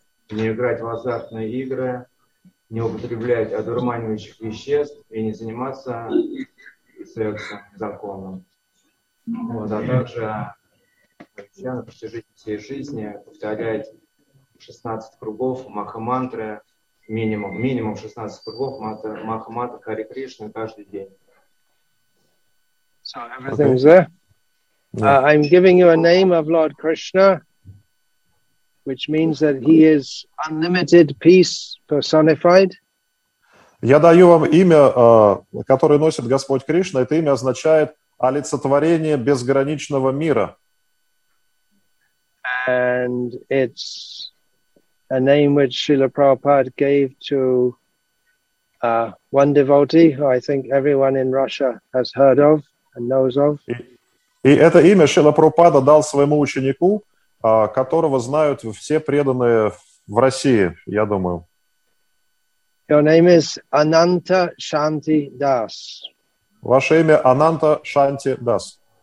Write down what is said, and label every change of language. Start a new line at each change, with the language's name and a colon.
Russian: Не играть в азартные игры, не употреблять одурманивающих веществ и не заниматься сексом, законом. Вот, а также я на протяжении всей жизни повторять 16 кругов Маха-мантры, минимум 16 кругов Маха-мантры Хари Кришны каждый день.
English: So everything's there. I'm giving you a name of Lord Krishna, which means that he is unlimited peace personified.
Russian: Я даю вам имя, которое носит Господь Кришна. Это имя означает олицетворение безграничного мира.
English: And it's a name which Srila Prabhupada gave to one devotee, who I think everyone in Russia has heard of. Knows of.
Russian: И это имя Шрила Прабхупада дал своему ученику, которого знают все преданные в России, я думаю.
English: Your name is Ananta Shanti Das.
Russian: Ваше имя Ананта Шанти Дас.